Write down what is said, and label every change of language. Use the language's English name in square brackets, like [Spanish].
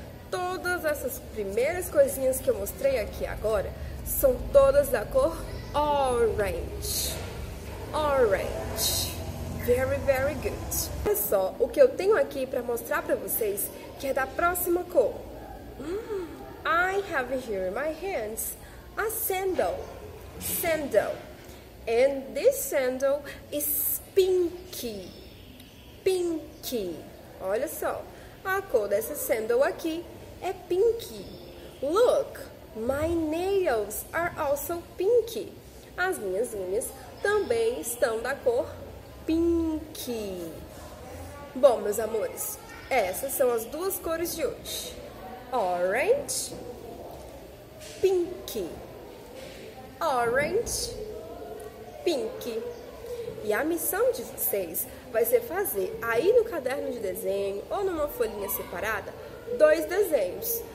[Portuguese] Todas essas primeiras coisinhas que eu mostrei aqui agora são todas da cor orange. Orange. [English] Very, very good. [Portuguese] Olha só o que eu tenho aqui para mostrar para vocês, que é da próxima cor. [English] I have here in my hands a sandal. Sandal. And this sandal is pink. Pink. [Portuguese] Olha só. A cor dessa sandal aqui é pink. [English] Look, my nails are also pink. [Portuguese] As minhas unhas também estão da cor pink. Bom, meus amores, essas são as duas cores de hoje. [English] Orange, pink. Orange, pink. [Portuguese] E a missão de vocês vai ser fazer aí no caderno de desenho ou numa folhinha separada dois desenhos.